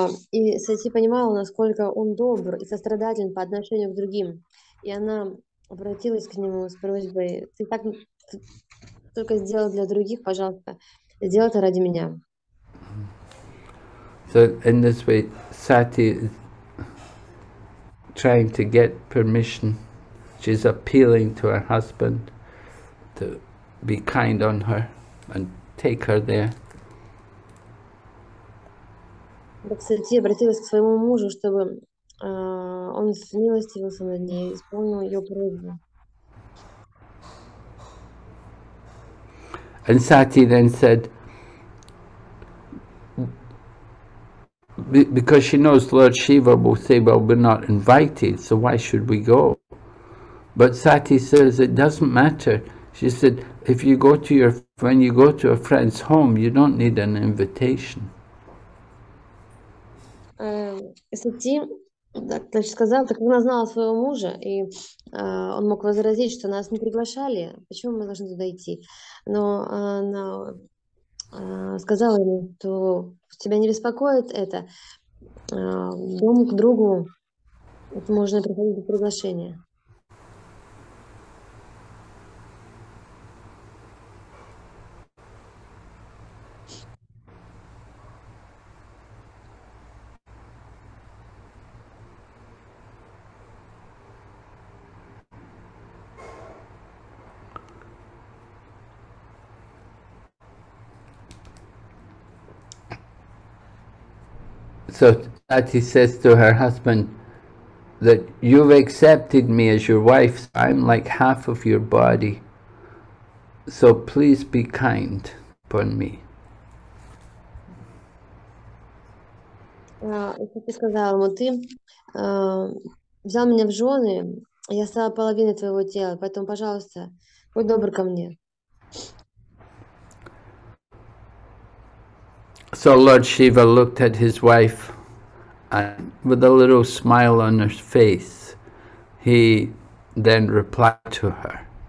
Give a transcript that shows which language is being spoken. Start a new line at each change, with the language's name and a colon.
Russian: И Сати понимала, насколько он добр и сострадателен по отношению к другим. И она обратилась к нему с просьбой: ты так только сделал для других, пожалуйста, сделай это ради меня.
English: So in this way, Sati is trying to get permission. She's appealing to her husband to be kind on her and take her there.
Russian: Так Сати обратилась к своему мужу, чтобы он смилостивился над ней, исполнил ее просьбу.
English: And Sati then said, because she knows Lord Shiva will say, well, we're not invited, so why should we go? But Sati says, it doesn't matter. She said, if you go to your, when you go to a friend's home, you don't need an invitation.
Russian: Сати сказала, так она знала своего мужа, и он мог возразить, что нас не приглашали, почему мы должны туда идти. Но она сказала ему, что тебя не беспокоит это, дом к другу, это можно приходить без приглашения.
English: So Sati says to her husband that you've accepted me as your wife, I'm like half of your body, so please be kind upon me.
Russian: Сати сказала ему, ты взял меня в жены, я стала половиной твоего тела, поэтому, пожалуйста, будь добр ко мне.
English: So Lord Shiva looked at his wife and with a little smile on her face, he then replied to her.